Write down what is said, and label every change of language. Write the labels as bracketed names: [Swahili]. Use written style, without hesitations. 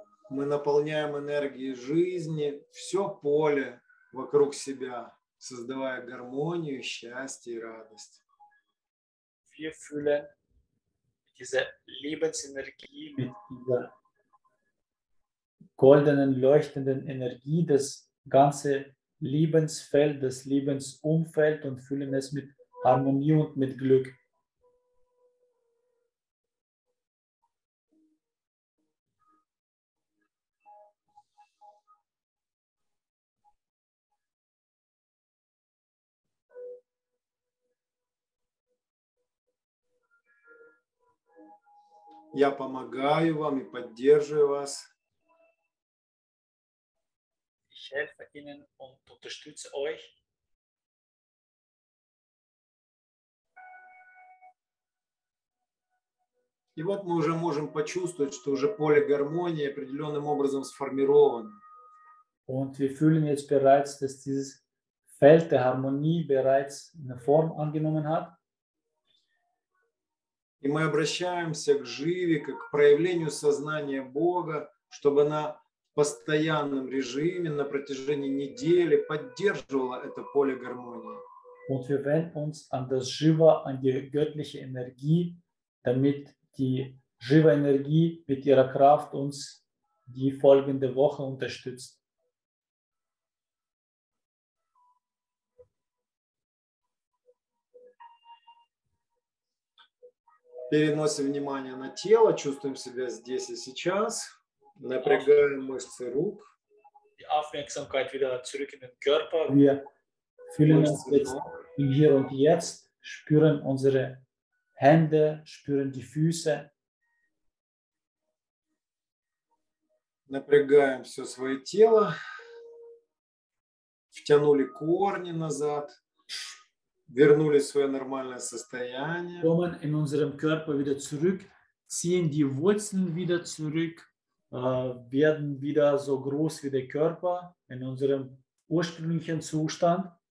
[Russian] Мы наполняем энергией жизни все поле вокруг себя, создавая гармонию, счастье и радость. [German] Wir fühlen diese Lebensenergie mit dieser goldenen, leuchtenden Energie, das ganze Lebensfeld, das Lebensumfeld und fühlen es mit Harmonie und mit Glück. [Russian] Я помогаю вам и поддерживаю вас. [German] Ich helfe Ihnen und unterstütze euch. [Russian] И вот мы уже можем почувствовать, что уже поле гармонии определенным образом сформировано. [German] Und wir fühlen jetzt bereits, dass dieses Feld der Harmonie bereits eine Form angenommen hat. [Russian] И мы обращаемся к Живе, как к проявлению сознания Бога, чтобы она в постоянном режиме на протяжении недели поддерживала это поле гармонии. [German] Und wir wenden uns an das Shiva, an die göttliche Energie, damit die Shiva Energie mit ihrer Kraft uns die folgende Woche unterstützt. [Russian] Переносим внимание на тело, чувствуем себя здесь и сейчас, напрягаем мышцы рук. [German] Die Aufmerksamkeit wieder zurück in den Körper. Wir fühlen uns jetzt hier und jetzt, spüren unsere Hände, spüren die Füße. [Russian] Напрягаем все свое тело. Втянули корни назад. Вернули свое нормальное состояние. [German] Kommen in unserem Körper wieder zurück, ziehen die Wurzeln wieder zurück, werden wieder so groß wie der Körper in unserem ursprünglichen Zustand.